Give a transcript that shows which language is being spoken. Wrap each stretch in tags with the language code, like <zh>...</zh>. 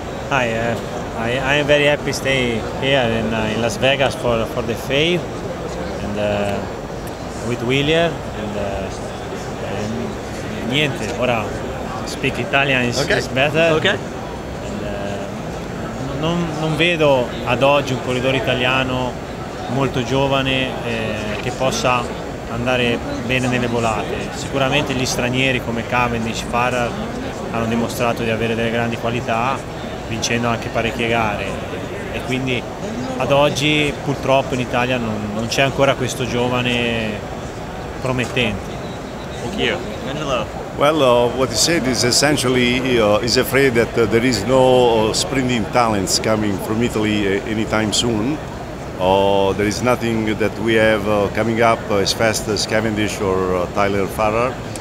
<en>I am very happy to stay here in Las Vegas for the Faith and with Willier and</en> <it>niente, ora</it> <en>speak Italian is better. Okay.</en> <it>Non vedo ad oggi un corridore italiano molto giovane che possa andare bene nelle volate. Sicuramente gli stranieri come Cavendish, Farrar hanno dimostrato di avere delle grandi qualità vincendo anche parecchie gare, e quindi ad oggi purtroppo in Italia non c'è ancora questo giovane promettente.</it> <en>Thank you. Angelo. Well, what he said is essentially he's afraid that there is no sprinting talents coming from Italy anytime soon. There is nothing that we have coming up as fast as Cavendish or Tyler Farrar.</en>